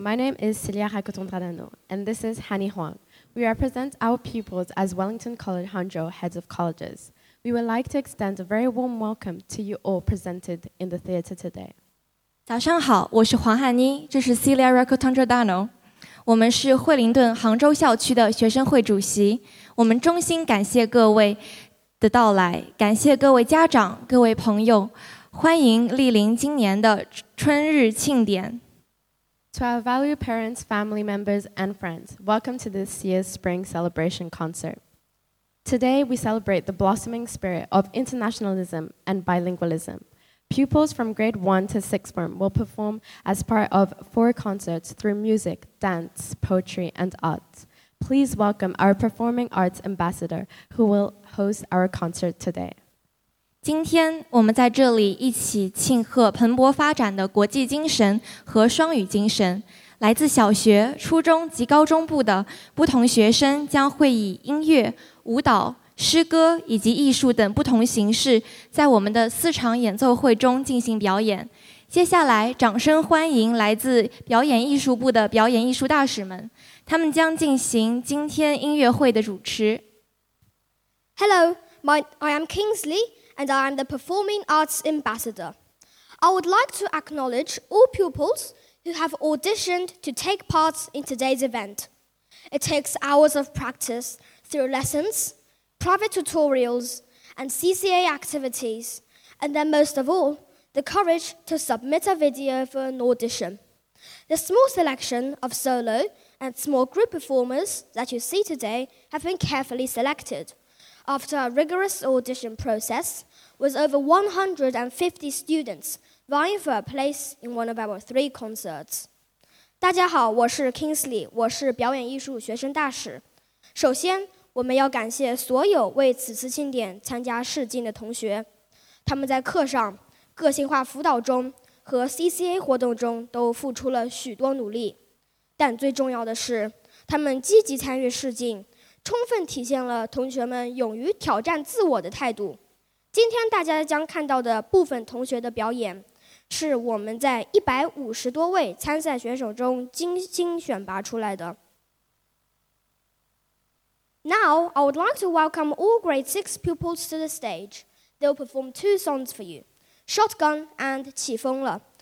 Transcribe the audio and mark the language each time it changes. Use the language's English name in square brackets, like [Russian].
[English] My name is Celia Hakutong-Tradano, and this is Hani Huang. We represent our pupils as Wellington College Hangzhou Heads of Colleges. We would like to extend a very warm welcome to you all presented in the theater today. [Chinese] 早上好，我是黄汉妮，这是 Celia Hakutong-Tradano. 我们是惠灵顿杭州校区的学生会主席，我们衷心感谢各位的到来，感谢各位家长、各位朋友，欢迎莅临今年的春日庆典。 [English] To our valued parents, family members, and friends, welcome to this year's spring celebration concert. Today, we celebrate the blossoming spirit of internationalism and bilingualism. Pupils from grade 1 to 6th form will perform as part of 4 concerts through music, dance, poetry, and art. Please welcome our performing arts ambassador who will host our concert today. [Chinese] 今天我们在这里一起庆贺蓬勃发展的国际精神和双语精神。来自小学、初中及高中部的不同学生将会以音乐、舞蹈、诗歌以及艺术等不同形式在我们的四场演奏会中进行表演。接下来，掌声欢迎来自表演艺术部的表演艺术大使们，他们将进行今天音乐会的主持。 [English] Hello, I am Kingsley, and I am the Performing Arts Ambassador. I would like to acknowledge all pupils who have auditioned to take part in today's event. It takes hours of practice through lessons,private tutorials, and CCA activities, and then most of all, the courage to submit a video for an audition. The small selection of solo and small group performers that you see today have been carefully selected. After a rigorous audition process, with over 150 students vying for a place in one of our 3 concerts. [Chinese] 大家好，我是 Kingsley， 我是表演艺术学生大使。首先我们要感谢所有为此次庆典参加试镜的同学，他们在课上、个性化辅导中和 CCA 活动中都付出了许多努力，但最重要的是，他们积极参与试镜，充分体现了同学们勇于挑战自我的态度。今天大家将看到的部分同学的表演，是我们在150多位参赛选手中精心选拔出来的。 [English] Now, I would like to welcome all grade 6 pupils to the stage. They'll perform 2 songs for you, Shotgun and 起风了.